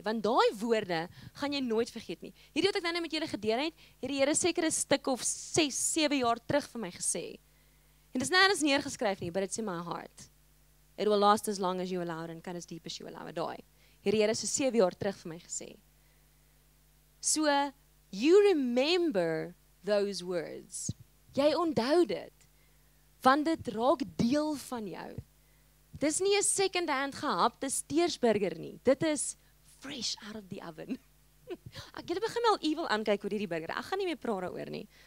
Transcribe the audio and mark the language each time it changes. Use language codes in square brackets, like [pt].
[af] Want daai woorde gaan jy nooit vergeet nie. Hierdie wat ek nou met julle gedeel het, het die Here seker 'n stuk of 6, 7 jaar terug vir my gesê. En dis nêrens neergeskryf nie, [en] but it's in my heart. It will last as long as you allow it and cut as deep as you allow it. [af] Daai. Hierdie Here so 7 jaar terug vir my gesê. [en] So, you remember those words. [af] Jy onthou dit. Want dit raak deel van jou. Dis nie 'n second hand gehapte steersburger nie. Dit is [en] fresh out of the oven. [af] Ek julle begin al evil aankyk oor hierdie burger. Ek gaan nie meer praat daaroor nie.